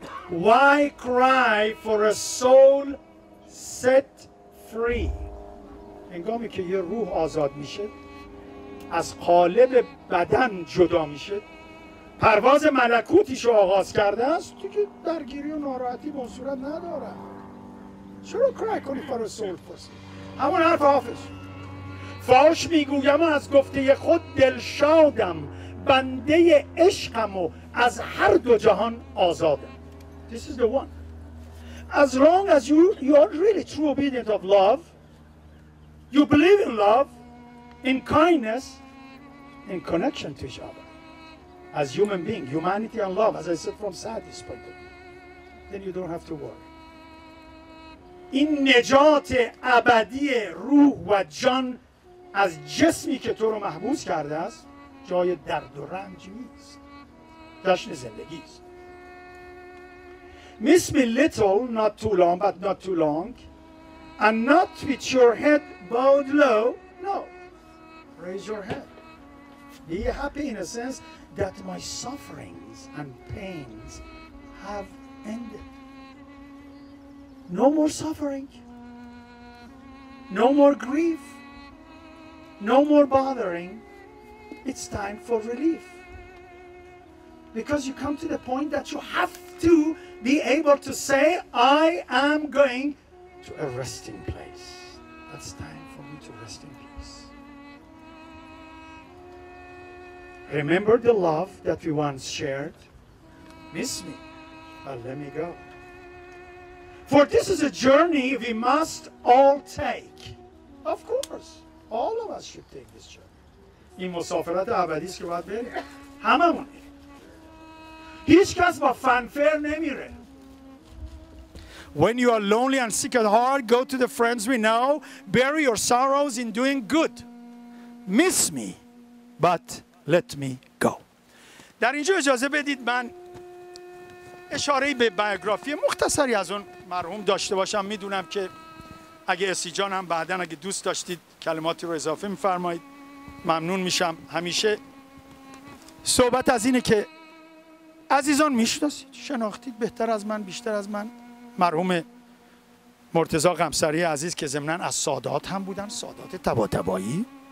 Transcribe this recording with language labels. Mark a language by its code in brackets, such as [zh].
[en] Why cry for a soul set free؟ [fa] انگامی که یه روح آزاد میشه، از قالب بدن جدا میشه، پرواز ملکوتیش رو آغاز کرده است، تو که درگیری و ناراحتی به اون صورت ندارم، چرا [en] cry [fa] کنی [en] for a soul free؟ [fa] همون حرف حافظ. فاش میگویم از گفته خود دلشادم، بنده عشقم و از هر دو جهان آزادم. [en] This is the one. As long as you are really true obedient of love, you believe in love, in kindness, in connection to each other, as human being, humanity and love, as I said from Sa'di's point of view, then you don't have to worry. [fa] این نجات ابدی روح و جان از جسمی که تو رو محبوس کرده است، جای درد و رنج نیست، جشن زندگی است. [en] Miss me little, not too long, but not too long, and not with your head bowed low, no, raise your head. Be happy in a sense that my sufferings and pains have ended. No more suffering, no more grief, no more bothering, it's time for relief. Because you come to the point that you have to be able to say, I am going to a resting place. That's time for me to rest in peace. Remember the love that we once shared. Miss me, but let me go. For this is a journey we must all take. Of course. All of us should take this journey. [fa] این مسافرت ابدی است که باید بریم. هممون. هیچ کس با فنفر نمیره. [en] When you are lonely and sick at heart, go to the friends we know, bury your sorrows in doing good. Miss me, but let me go. [fa] در اینجا اجازه بدید من اشاره به بیوگرافی مختصری از اون مرحوم داشته باشم. میدونم که اگه اسی جان هم بعدن اگه دوست داشتید کلماتی رو اضافه می‌فرمایید ممنون میشم. همیشه صحبت از اینه که عزیزان می‌شناسید، شناختید بهتر از من، بیشتر از من مرحوم مرتضی غمسری عزیز که ضمناً از سادات هم بودن، سادات طباطبایی.